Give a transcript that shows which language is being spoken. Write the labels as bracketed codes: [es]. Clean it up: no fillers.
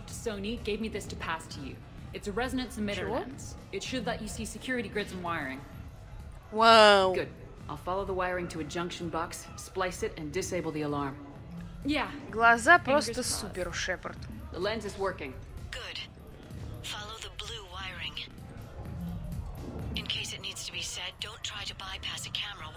[en] Tassoni gave me this to pass to you. It's a resonance emitter lens. It should let you see security grids and wiring. Wow. Good. I'll follow the wiring to a junction box, splice it, and disable the alarm. Yeah. [ru] Глаза просто супер, Шепард. [en] The lens is working. Good. Follow the blue wiring. In case it needs to be said, don't try to bypass a camera.